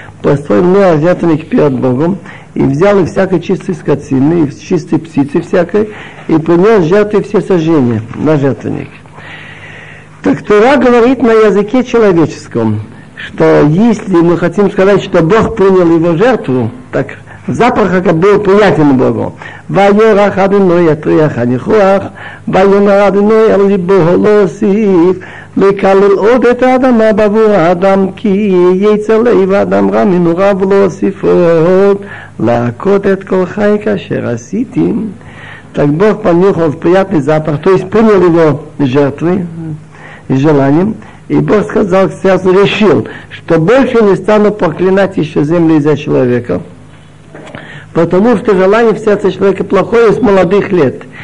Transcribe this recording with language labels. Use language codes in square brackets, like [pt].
[ru] Построил ноах жертвенник перед Богом, и взял и всякой чистой скотины, и чистой птицы всякой, и принес жертвы все сожжения на жертвенник. Так Тора говорит на языке человеческом, что если мы хотим сказать, что Бог принял его жертву, так запах как был приятен Богу. [he] ויורח אדוני יטריח הניחוח, ויאמר אדוני על ליבו להוסיף, לקלל עוד את האדמה בעבור האדם, כי יצא לב האדם רע מנעוריו להוסיף עוד, להכות את כל חי כאשר עשיתי. [ru] Так Бог понюхал приятный запах, то есть принял его жертвы и желанием. И Бог сказал, сразу решил, что больше не стану проклинать еще землю из-за человека. Потому что желание в сердце человека плохое с молодых лет.